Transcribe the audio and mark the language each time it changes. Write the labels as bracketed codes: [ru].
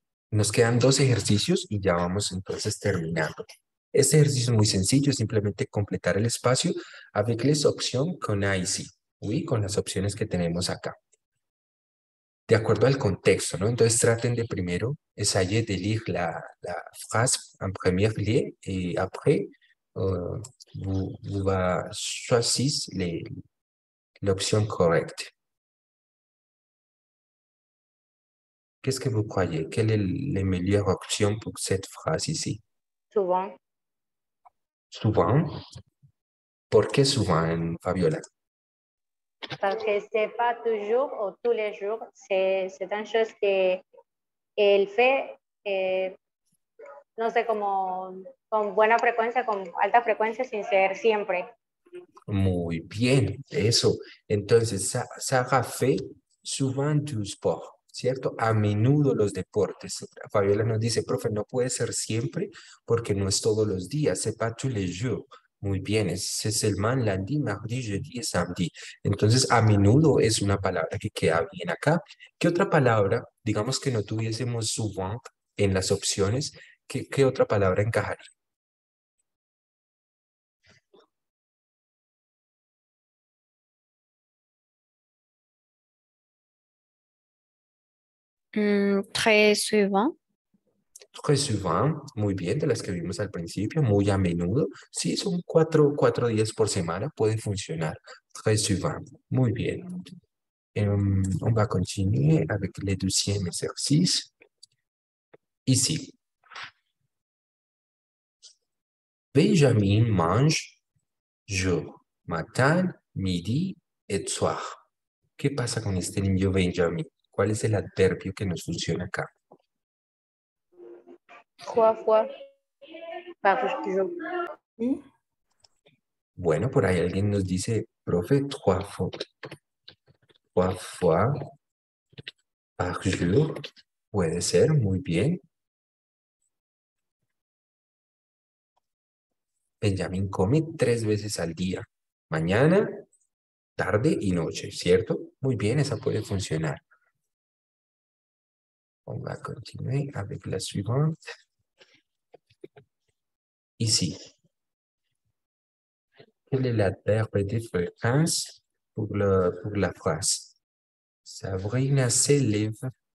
[es] Nos quedan dos ejercicios y ya vamos entonces terminando. Este ejercicio es muy sencillo, es simplemente completar el espacio [fr] avec les options [es] con IC, oui, con las opciones que tenemos acá. De acuerdo al contexto, ¿no? Entonces traten de primero [fr] essayer de lire la phrase en premier lieu y après vous choisissez [es] la opción correcta. [fr] Qu'est-ce que vous croyez? Quelle est la meilleure option pour cette phrase ici? Souvent. Souvent? Pourquoi souvent, Fabiola? Parce que ce n'est pas toujours ou tous les jours. C'est une chose qu'elle fait, [es] no sé, como, con buena frecuencia, con alta frecuencia, sin ser siempre. Muy bien, eso. Entonces, Sarah [fr] fait souvent du sport, [es] ¿cierto? A menudo los deportes. Fabiola nos dice, profe, no puede ser siempre porque no es todos los días. [fr] C'est pas tous les jours. [es] Muy bien, [fr] c'est seulement lundi, mardi, jeudi et samedi. [es] Entonces, a menudo es una palabra que queda bien acá. ¿Qué otra palabra, digamos que no tuviésemos souvent en las opciones, qué otra palabra encajaría? [fr] Très souvent, [es] muy bien, de las que vimos al principio, muy a menudo. Sí, son cuatro días por semana, puede funcionar. [fr] Très souvent, [es] muy bien. [fr] On va continuer avec le deuxième exercice. Ici. Benjamin mange jour, matin, midi et soir. [es] ¿Qué pasa con este niño Benjamin? ¿Cuál es el adverbio que nos funciona acá? [fr] Trois fois par jour. [es] Bueno, por ahí alguien nos dice, profe, [fr] trois fois par jour. [es] Puede ser, muy bien. Benjamin come tres veces al día. Mañana, tarde y noche, ¿cierto? Muy bien, esa puede funcionar. [fr] On va continuer avec la suivante. Ici. Quel est l'adverbe de fréquence pour la phrase? Sabrina se lève.